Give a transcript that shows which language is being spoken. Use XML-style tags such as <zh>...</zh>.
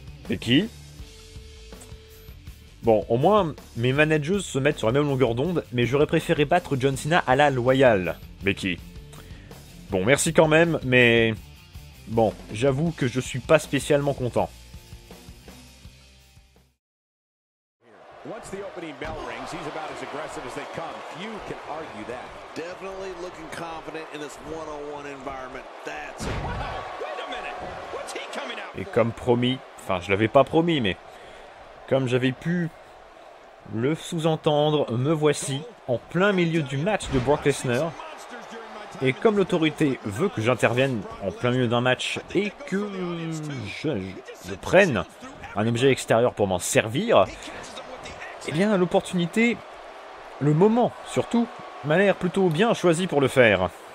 <fr>Et qui ? Bon, au moins, mes manageuses se mettent sur la même longueur d'onde, mais j'aurais préféré battre John Cena à la loyale. Mais qui ? Bon, merci quand même, mais... Bon, j'avoue que je suis pas spécialement content.</fr> <en>Once the opening bell rings, he's about as aggressive as they come. Few can argue that. Definitely looking confident in this one-on-one environment. That's wow, wait a minute. What's he coming out?</en> <fr>Et comme promis, enfin je l'avais pas promis, mais comme j'avais pu le sous-entendre, me voici en plein milieu du match de Brock Lesnar. Et comme l'autorité veut que j'intervienne en plein milieu d'un match et que je prenne un objet extérieur pour m'en servir, eh bien l'opportunité, le moment surtout, m'a l'air plutôt bien choisi pour le faire.</fr>